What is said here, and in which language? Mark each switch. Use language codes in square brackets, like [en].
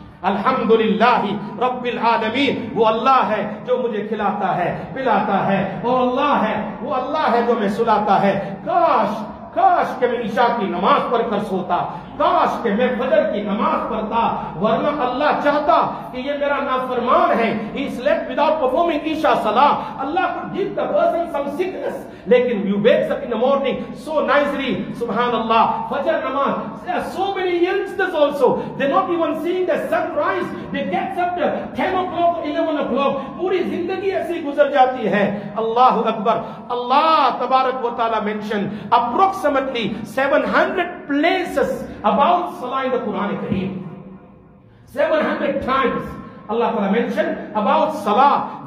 [ur] الحمدللہ رب العالمین. وہ اللہ ہے جو مجھے کھلاتا ہے پلاتا ہے, اور اللہ ہے وہ اللہ ہے جو میں سلاتا ہے. کاش کاش کہ میں عشاء کی نماز پڑھ کر سوتا, کاش کہ میں فجر کی نماز پڑھتا, ورنہ اللہ چاہتا کہ یہ میرا نافرمان ہے. [en] He slept without performing عشاء صلاح. Allah could give the person some sickness, لیکن you wake up in the morning so nicely, سبحان اللہ, فجر نماز. There are so many youngsters also, they're not even seeing the sunrise. They get up to 10 o'clock, 11 o'clock. [ur] پوری زندگی ایسی گزر جاتی ہے. اللہ اکبر. اللہ تبارک و تعالی [en] mentioned approximately 700 places about Salah in the Quran Kareem. 700 times Allah Ta'ala mentioned about Salah.